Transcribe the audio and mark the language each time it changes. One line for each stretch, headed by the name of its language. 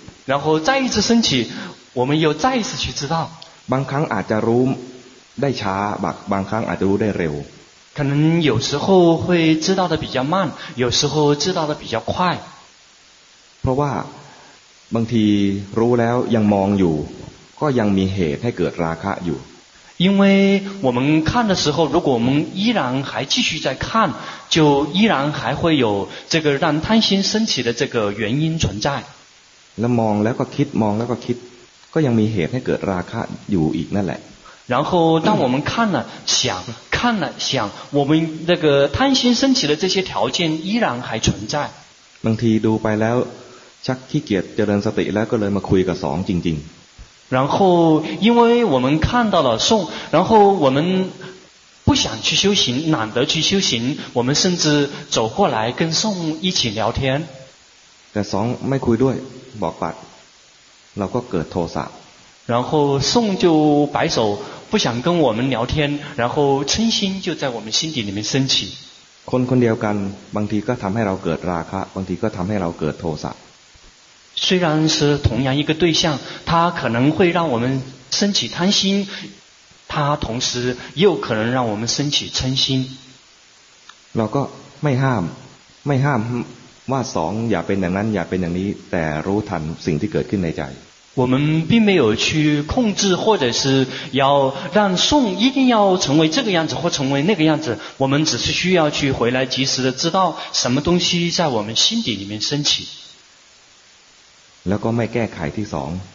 Chinese: 然后再一次升起，我们又再一次去知道。
Thai: บางครั้งอาจจะรู้ได้ช้าบางครั้งอาจจะรู้ได้เร็ว
Chinese: 可能有时候会知道的比较慢有时候知道的比较快
Thai: เพราะว่าบางทีรู้แล้วยังมองอยู่ก็ยังมีเหตุให้เกิดราคะอยู่
Chinese: 因为我们看的时候如果我们依然还继续在看就依然还会有这个让贪心升起的这个原因存在
Thai: แล้วมองแล้วก็คิดมองแล้วก็คิดก็ยังมีเหตุให้เกิดราคะอยู่อีกนั่นแหละ
Chinese: 然后当我们看了想看了想我们那个贪心升起的这些条件依然还存在
Thai: บางทีดูไปแล้วชักขี้เกียจเจริญสติแล้วก็เลยมาคุยกับสองจริง
Chinese: ๆ然后因为我们看到了送然后我们不想去修行懒得去修行我们甚至走过来跟送一起聊天
Thai: แต่สองไม่คุยด้วยบอกปัดเราก็เกิดโทสะ
Chinese: 然后送就摆手不想跟我们聊天然后嗔心就在我们心底里面升起
Thai: คนคนเดียวกันบางทีก็ทำให้เราเกิดราคะบางทีก็ทำให้เราเกิดโทสะ
Chinese: 虽然是同样一个对象他可能会让我们升起贪心他同时又可能让我们升起嗔心
Thai: เราก็ไม่ห้ามว่าสองอย่าเป็นอย่างนั้นอย่าเป็นอย่างนี้แต่รู้ทันสิ่งที่เกิดขึ้นในใจ
Chinese: 我们并没有去控制或者是要让送一定要成为这个样子或成为那个样子我们只是需要去回来及时的知道什么东西在我们心底里面升起
Thai: แล้วก็ไม่แก้ไขที่สอง